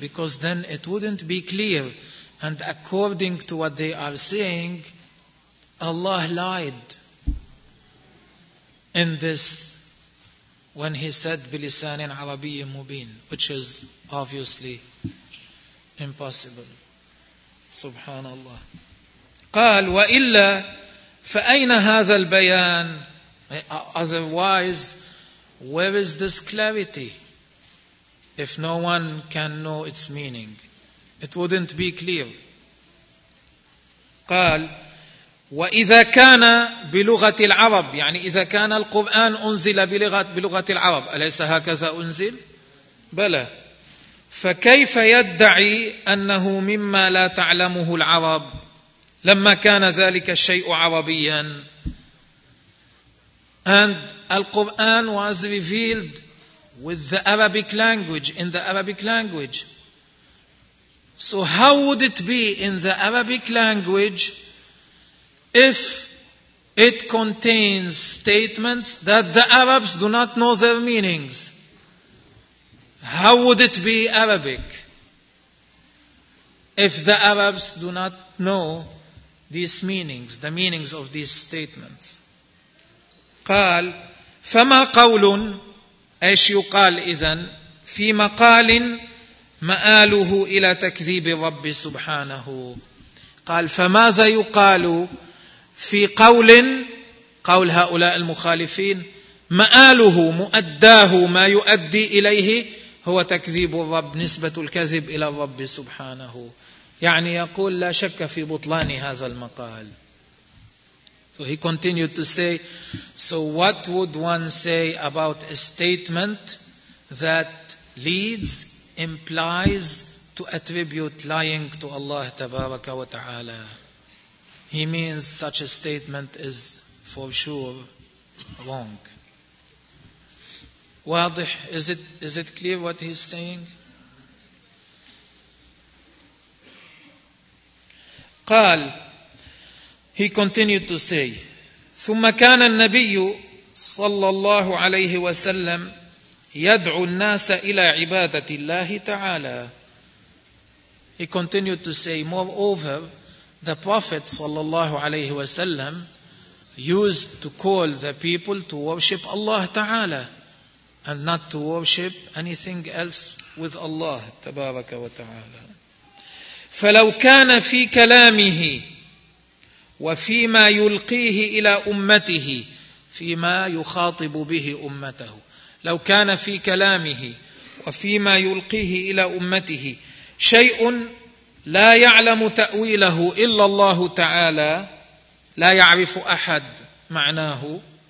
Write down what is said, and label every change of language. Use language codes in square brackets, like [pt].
[en] Because then it wouldn't be clear. And according to what they are saying, Allah lied in this when he said [ar] bilisan in Arabi mubin, [en] which is obviously impossible. Subhanallah. [ar] قال وإلا فأين هذا البيان. [en] Otherwise, where is this clarity? If no one can know its meaning, it wouldn't be clear. [ar] قال وإذا كان بلغة العرب, يعني إذا كان القرآن أنزل بلغة العرب, أليس هكذا أنزل؟ بلى. فكيف يدعي أنه مما لا تعلمه العرب لما كان ذلك الشيء عربيا؟ [en] And Al-Quran was revealed with the Arabic language, in the Arabic language. So how would it be in the Arabic language if it contains statements that the Arabs do not know their meanings? How would it be Arabic if the Arabs do not know these meanings, the meanings of these statements? [ar] قال فما قول أيش يقال إذن في مقال مآله إلى تكذيب رب سبحانه. قال فماذا يقال في قول, قول هؤلاء المخالفين مآله مؤداه ما يؤدي إليه هو تكذيب الرب، نسبة الكذب إلى الرب سبحانه. يعني يقول لا شك في بطلان هذا المقال. [en] So he continued to say, so what would one say about a statement that leads, implies to attribute lying to Allah Tabaraka wa Ta'ala? He means such a statement is for sure wrong. [ar] واضح؟ [en] Is it clear what he's saying? [ar] قال, [en] he continued to say, [ar] ثم كان النبي صلى الله عليه وسلم يدعو الناس إلى عبادة الله تعالى. [en] He continued to say, moreover, the Prophet [ar] صلى الله عليه وسلم [en] used to call the people to worship Allah تعالى and not to worship anything else with Allah [ar] تبارك وتعالى. فلو كان في كلامه وفيما يلقيه إلى أمته, فيما يخاطب به أمته, لو كان في كلامه وفيما يلقيه إلى أمته شيء لا يعلم تأويله إلا الله تعالى, لا يعرف أحد معناه,